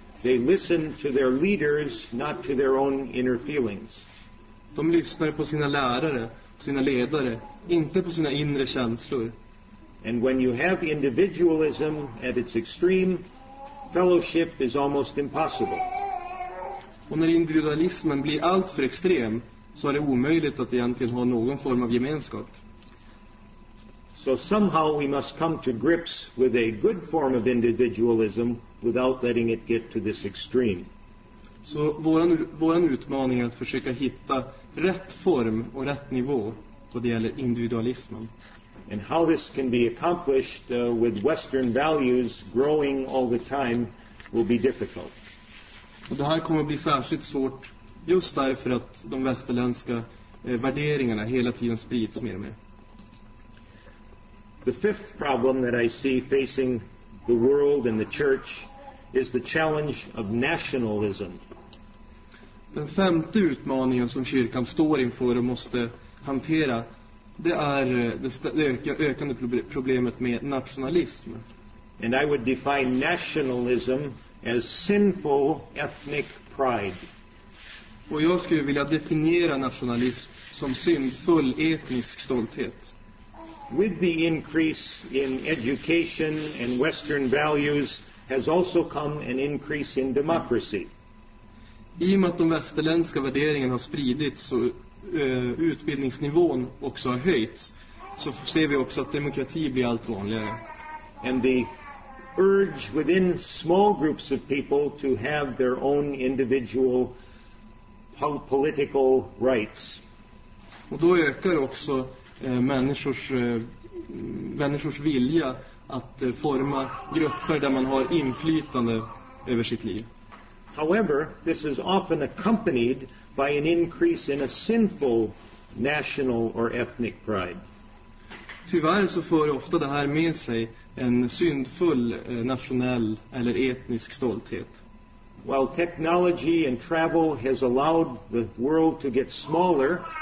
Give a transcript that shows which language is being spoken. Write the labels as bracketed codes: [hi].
[en] They listened to their leaders, not to their own inner feelings. [sv] De lyssnade på sina lärare, sina ledare, inte på sina inre känslor. [en] And when you have individualism at its extreme, fellowship is almost impossible. [sv] Och när individualismen blir allt för extrem så är det omöjligt att egentligen ha någon form av gemenskap. [en] So somehow we must come to grips with a good form of individualism without letting it get to this extreme. [sv] Så våran utmaning är att försöka hitta rätt form och rätt nivå vad det gäller individualismen. [en] And how this can be accomplished with Western values growing all the time will be difficult. [sv] Och det här kommer att bli särskilt svårt just därför att de västerländska värderingarna hela tiden sprids mer och mer. [en] The fifth problem that I see facing the world and the church is the challenge of nationalism. [sv] Den femte utmaningen som kyrkan står inför och måste hantera, det är det ökande problemet med nationalism. [en] And I would define nationalism as sinful ethnic pride. [sv] Och jag skulle vilja definiera nationalism som syndfull etnisk stolthet. [en] with the increase in education and Western values has also come an increase in democracy. [sv] I och med att de västerländska värderingarna har spridits så utbildningsnivån också har höjts, så ser vi också att demokrati blir allt vanligare. [en] And the urge within small groups of people to have their own individual political rights. [sv] Och då ökar också människors vilja att forma grupper där man har inflytande över sitt liv. [en] However, this is often accompanied by an increase in a sinful national or ethnic pride. [sv] Tyvärr så för ofta det här med sig en syndfull nationell eller etnisk stolthet. [en] While technology and travel has allowed the world to get smaller,